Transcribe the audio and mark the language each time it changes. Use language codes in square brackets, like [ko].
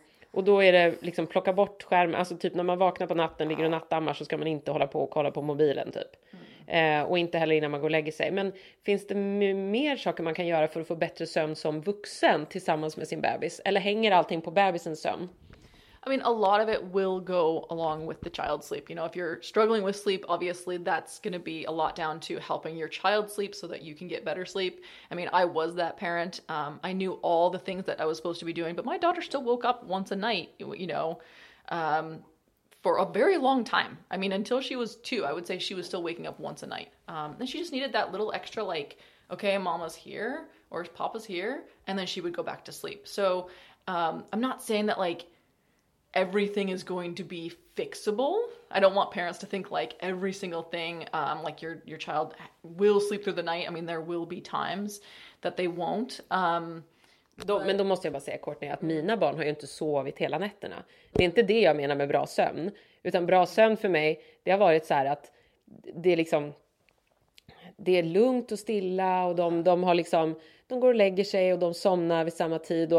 [sv] Och då är det liksom plocka bort skärmen, alltså typ när man vaknar på natten, ligger och nattammar, så ska man inte hålla på och kolla på mobilen typ. Och inte heller innan man går och lägger sig. Men finns det mer saker man kan göra för att få bättre sömn som vuxen tillsammans med sin bebis? Eller hänger allting på bebisens sömn? [en] I mean, a lot of it will go along with the child's sleep. You know, if you're struggling with sleep, obviously that's going to be a lot down to helping your child sleep so that you can get better sleep. I mean, I was that parent. I knew all the things that I was supposed to be doing, but my daughter still woke up once a night, you know, for a very long time. I mean, until she was two, I would say she was still waking up once a night. And she just needed that little extra, like, okay, mama's here or papa's here. And then she would go back to sleep. So I'm not saying that, like, everything is going to be fixable. I don't want parents to think, like, every single thing, like, your child will sleep through the night. I mean, there will be times that they won't. [sv] Men då måste jag bara säga kort att mina barn har ju inte sovit hela nätterna. Det är inte det jag menar med bra sömn. Utan bra sömn för mig, det har varit så här att det är liksom, det är lugnt och stilla och de har liksom, de går och lägger sig och de somnar vid samma tid.